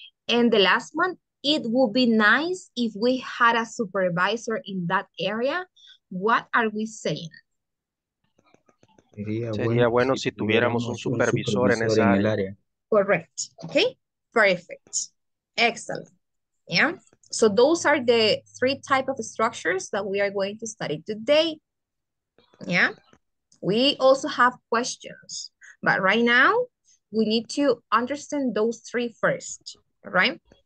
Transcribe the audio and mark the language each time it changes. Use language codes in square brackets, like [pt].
[en] And the last one, it would be nice if we had a supervisor in that area. What are we saying? [es] Sería bueno si tuviéramos un supervisor en esa área. [en] Correct. Okay. Perfect. Excellent. Yeah. So those are the three types of structures that we are going to study today. Yeah. We also have questions. But right now, we need to understand those three first. All right.